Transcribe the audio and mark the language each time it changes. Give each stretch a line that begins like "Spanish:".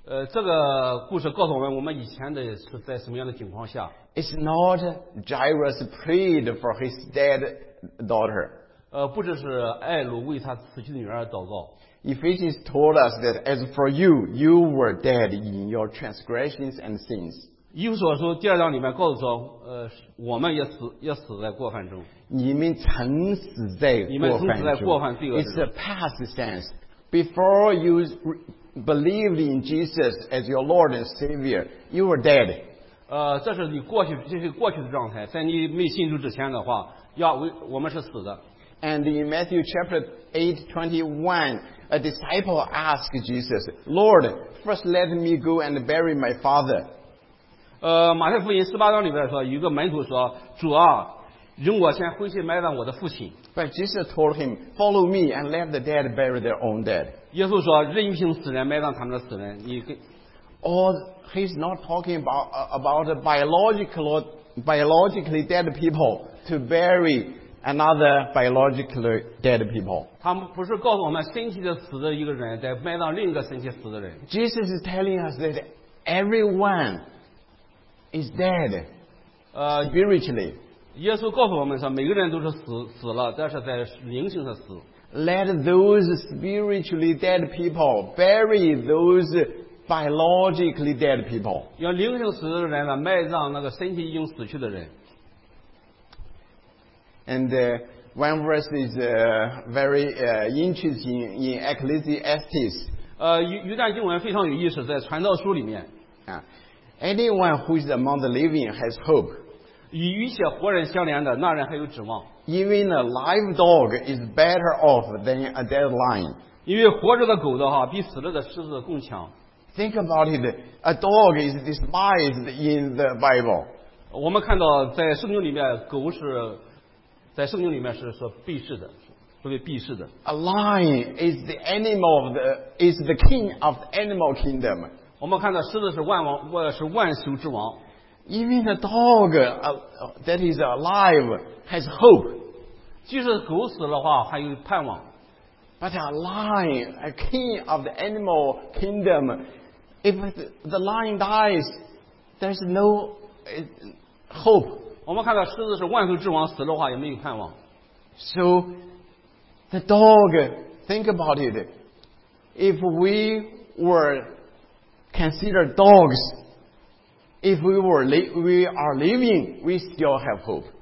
Chinese: 这个故事告诉我们，我们以前的是在什么样的情况下。
English: It's not Jairus prayed for his dead daughter.
Chinese: 不只是艾鲁为他死去的女儿祷告。
English: Ephesians told us that as for you, you were dead in your transgressions and sins.
Chinese: 以弗所书第二章里面告诉说，我们也死在过犯中。你们曾死在过犯中。你们曾死在过犯罪恶中。
English: It's a past sense. Before you believed in Jesus as your Lord and Savior, you were dead.
Chinese: 这是你过去这是过去的状态，在你没信主之前的话，我们是死的。
English: And in Matthew chapter 8:21, a disciple asked Jesus, "Lord, first let me go and bury my father."
Chinese: 马太福音十八章里边说，有个门徒说：“主啊，容我先回去埋葬我的父亲。”
English: But Jesus told him, "Follow me and let the dead bury their own dead."
Chinese: 耶稣说：“任凭死人埋葬他们的死人。” 你跟
English: he's not talking about biologically dead people to bury another biologically dead people.
Chinese: 他们不是告诉我们身体的死的一个人在埋葬另一个身体死的人。
English: Jesus is telling us that everyone. Is dead spiritually.
Chinese: 耶稣告诉我们说，每个人都是死了，但是在灵性上死。
English: Let those spiritually dead people bury those biologically dead people.
Chinese: 要灵性死的人呢，埋葬那个身体已经死去的人。
English: And one verse is very interesting in Ecclesiastes.
Chinese: 一段经文非常有意思，在传道书里面。
English: Anyone who is among the living has hope.
Chinese: 与一切活人相连的那人还有指望。
English: Even a live dog is better off than a dead lion.
Chinese: 因为活着的狗的话比死了的狮子更强。
English: Think about it. A dog is despised in the Bible.
Chinese: 我们看到在圣经里面狗是在圣经里面是说鄙视的，会被鄙视的。
English: A lion is the animal of the is the king of the animal kingdom.
Chinese: 我们看到狮子是万王，是万兽之王。
English: Even a dog that is alive has hope.
Chinese: 即使狗死的话还有盼望。
English: But a lion, a king of the animal kingdom, if the lion dies, there's no hope.
Chinese: 我们看到狮子是万兽之王，死的话也没有盼望。
English: So the dog, think about it. If we were considered dogs,If we are living, we still have hope.